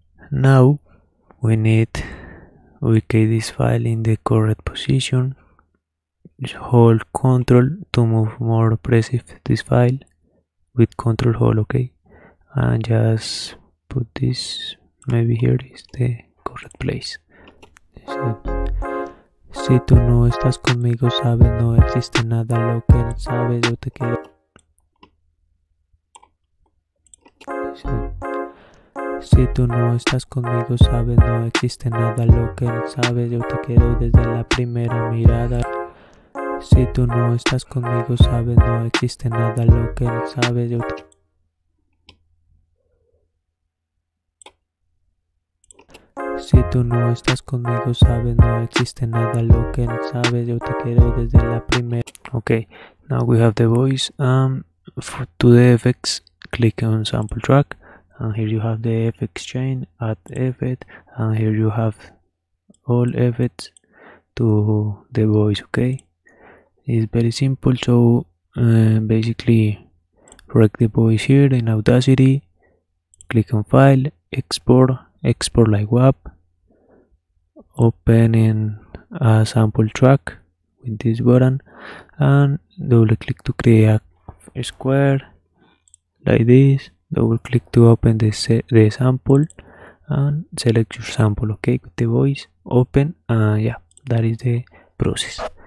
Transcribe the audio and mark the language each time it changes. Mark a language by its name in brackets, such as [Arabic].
[English] Now we need to locate this file in the correct position. Just hold control to move more precise this file with control hold, okay, and just put this maybe here is the correct place. [Spanish] Si tú no estás conmigo, sabes, no existe nada, lo que no sabes, yo te quiero. Si tú no estás conmigo, sabes, no existe nada, lo que no sabes, yo te quiero desde la primera mirada. Si tú no estás conmigo, sabes, no existe nada, lo que no sabes, yo te quiero. Si tú no estás conmigo, sabes, no existe nada, lo que no sabes, yo te quiero desde la primera. [English] Okay, now we have the voice. For to the effects, click on sample track, and here you have the effects chain, add effect, and here you have all effects to the voice, okay? It's very simple, so basically, rec the voice here in Audacity, click on file, export like WAP, open in a sample track with this button and double click to create a square like this, double click to open the sample and select your sample, okay, with the voice, open, and yeah, that is the process.